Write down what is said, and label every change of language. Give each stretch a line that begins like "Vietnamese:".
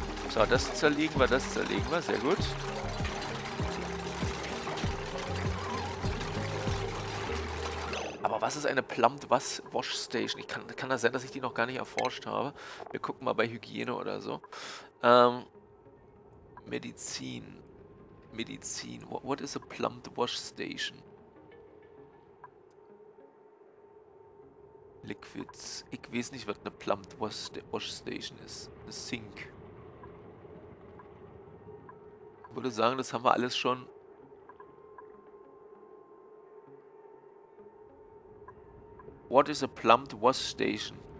German: So, das zerlegen wir, das zerlegen wir. Sehr gut. Aber was ist eine Plumbed Wash Station? Ich kann das sein, dass ich die noch gar nicht erforscht habe. Wir gucken mal bei Hygiene oder so. Medizin. Medizin.
English: What is a Plumbed Wash Station? Liquids.
German: Ich weiß nicht, was eine Plumbed Wash Station ist. Eine Sink. Ich würde sagen, das haben wir alles schon.
English: What is a plumbed wash station?